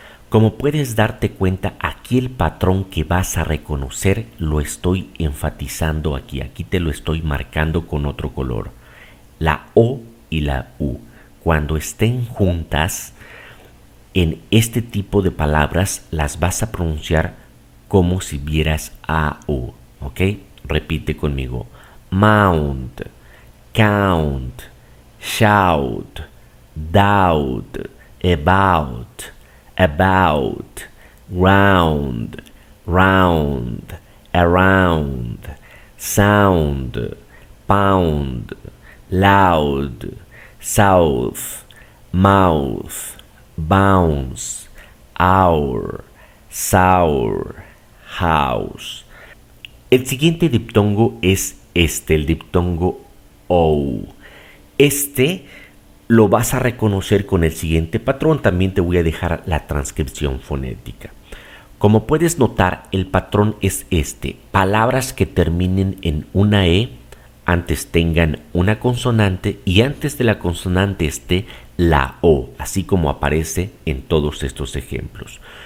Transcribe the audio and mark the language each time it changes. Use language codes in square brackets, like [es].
[es] Como puedes darte cuenta, aquí el patrón que vas a reconocer lo estoy enfatizando aquí. Aquí te lo estoy marcando con otro color. La O y la U. Cuando estén juntas, en este tipo de palabras las vas a pronunciar como si vieras A, U. ¿Ok? Repite conmigo. [en] Mount, count, shout, doubt, about, about, round, round, around, sound, pound, loud, south, mouth, bounce, hour, sour, house. [es] El siguiente diptongo es este, el diptongo OU. Este lo vas a reconocer con el siguiente patrón. También te voy a dejar la transcripción fonética. Como puedes notar, el patrón es este. Palabras que terminen en una E, antes tengan una consonante y antes de la consonante esté la O, así como aparece en todos estos ejemplos.